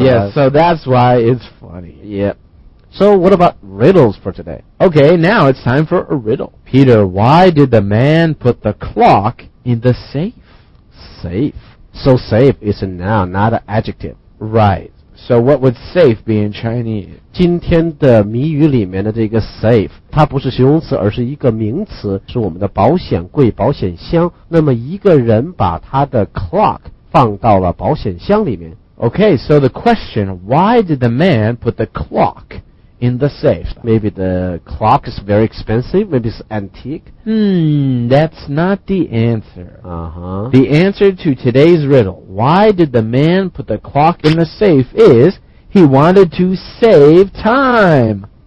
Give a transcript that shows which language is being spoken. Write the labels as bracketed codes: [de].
[en] Yes, so that's why it's funny. Yep. So what about riddles for today? Okay, now it's time for a riddle. Peter, why did the man put the clock in the safe? Safe. So safe is a noun, not an adjective. Right. So what would safe be in Chinese? [zh] 今天的谜语里面的这个 safe, 它不是形容词而是一个名词是我们的保险柜保险箱。那么一个人把他的 clock 放到了保险箱里面。 [en] Okay, so the question, why did the man put the clock in the safe? Maybe the clock is very expensive, maybe it's antique. That's not the answer. Uh-huh. The answer to today's riddle, why did the man put the clock in the safe, is he wanted to save time.